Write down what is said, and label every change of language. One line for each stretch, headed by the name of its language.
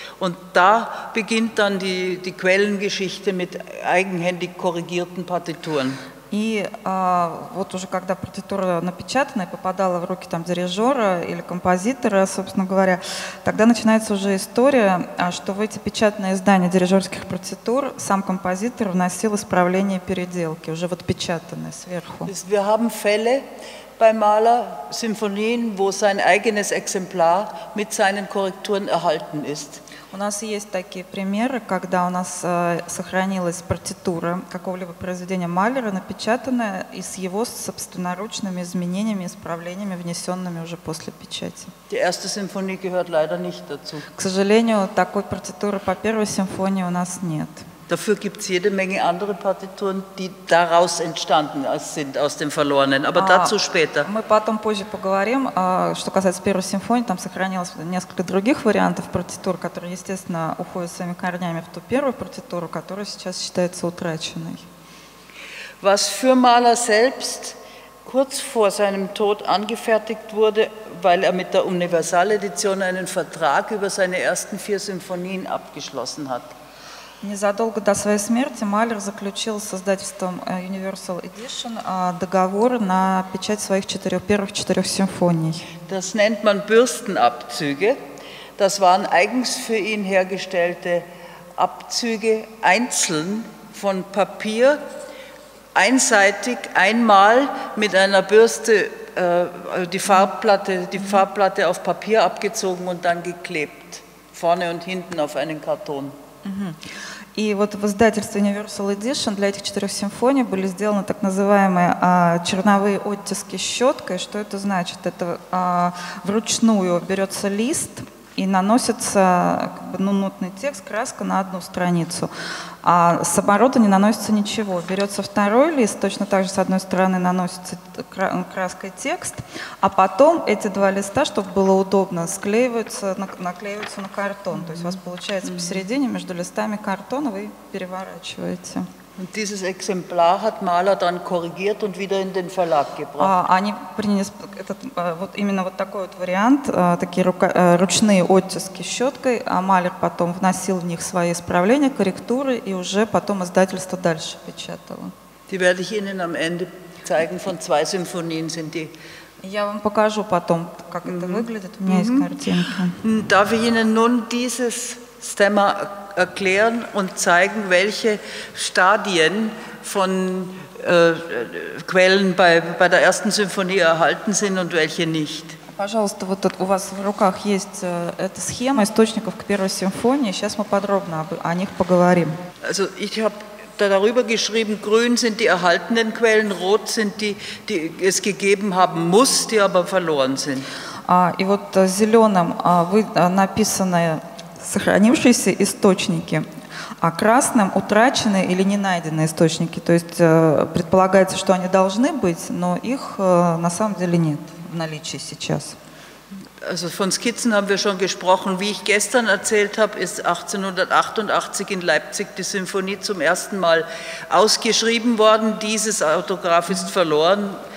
German: Und da beginnt dann die Quellengeschichte mit eigenhändig korrigierten Partituren.
Russian: И вот уже когда партитура напечатана и попадала в руки там дирижера или композитора, собственно говоря, тогда начинается уже история, что в эти печатные издания дирижерских партитур сам композитор вносил исправления и переделки, уже вот печатанные сверху.
German: Wir haben Fälle bei Mahler Symphonien, wo sein eigenes Exemplar mit seinen Korrekturen erhalten ist.
Russian: У нас есть такие примеры, когда у нас сохранилась партитура какого-либо произведения Малера, напечатанная и с его собственноручными изменениями, исправлениями, внесенными уже после печати.
German: Die erste Symphonie gehört leider nicht dazu.
Russian: К сожалению, такой партитуры по первой симфонии у нас нет.
German: Dafür gibt es jede Menge andere Partituren, die daraus entstanden sind, aus dem Verlorenen. Aber dazu später.
Russian: Мы потом позже поговорим, что касается первой симфонии, там сохранилось несколько других вариантов партитур, которые, естественно, уходят своими корнями в ту первую партитуру, которая сейчас считается утраченной.
German: Was für Mahler selbst kurz vor seinem Tod angefertigt wurde, weil er mit der Universal-Edition einen Vertrag über seine ersten vier Symphonien abgeschlossen hat.
Russian: Незадолго до своей смерти Малер заключил с издательством Universal Edition договор на печать своих первых четырех симфоний.
German: Das nennt man Bürstenabzüge. Das waren eigens für ihn hergestellte Abzüge einzeln von Papier, einseitig, einmal mit einer Bürste die Farbplatte auf Papier abgezogen und dann geklebt, vorne und hinten auf einen Karton. Mhm.
Russian: И вот в издательстве Universal Edition для этих четырех симфоний были сделаны так называемые черновые оттиски щеткой. Что это значит? Это вручную берется лист и наносится нотный текст, краска на одну страницу. А с оборота не наносится ничего. Берется второй лист, точно так же с одной стороны наносится краской текст, а потом эти два листа, чтобы было удобно, наклеиваются на картон. То есть у вас получается посередине между листами картона вы переворачиваете.
German: Und dieses Exemplar hat Mahler dann korrigiert und wieder in den Verlag gebracht.
Russian: Они принесли этот вот именно вот такой вот вариант, такие ручные оттиски щеткой, а Малер потом вносил в них свои исправления, корректуры и уже потом издательство дальше печатало.
German: Die werde ich Ihnen am Ende zeigen. Von zwei Symphonien sind die.
Russian: Я вам покажу потом, как это выглядит. У меня есть картинка.
German: Darf ich Ihnen nun dieses Thema erklären und zeigen, welche Stadien von Quellen bei der ersten Symphonie erhalten sind und welche nicht.
Russian: Пожалуйста, вот у вас в руках есть эта схема источников к первой симфонии. Сейчас мы подробно о них поговорим.
German: Also ich habe da darüber geschrieben, grün sind die erhaltenen Quellen, rot sind die, die es gegeben haben muss, die aber verloren sind.
Russian: И вот зеленым вы написанное сохранившиеся источники, а красным – утраченные или не найденные источники. То есть предполагается, что они должны быть, но их на самом деле нет в наличии сейчас.
German: Also von Skizzen haben wir schon gesprochen. Wie ich gestern erzählt habe, ist 1888 in Leipzig die Symphonie zum ersten Mal ausgeschrieben worden. Dieses Autograph ist verloren.